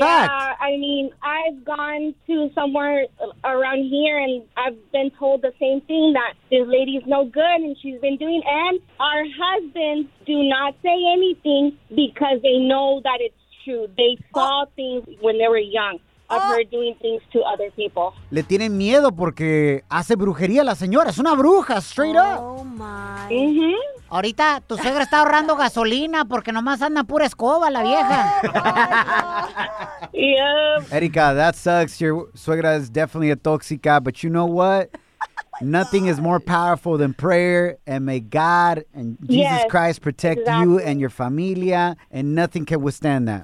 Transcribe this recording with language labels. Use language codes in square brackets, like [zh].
[en] Yeah, I mean, I've gone to somewhere around here and I've been told the same thing, that this lady's no good and she's been doing, and our husbands do not say anything because they know that it's true. They saw things when they were young. Of her doing things to other people. [es] Le tienen miedo porque hace brujería la señora. Es una bruja, [en] straight up. Oh, my. Mm-hmm. [es] Ahorita tu suegra está ahorrando gasolina porque nomás anda pura escoba la vieja. [en] Oh, my God. Yep. Erika, that sucks. Your suegra is definitely a tóxica, but you know what? Nothing is more powerful than prayer, and may God and Jesus Christ protect you and your familia, and nothing can withstand that.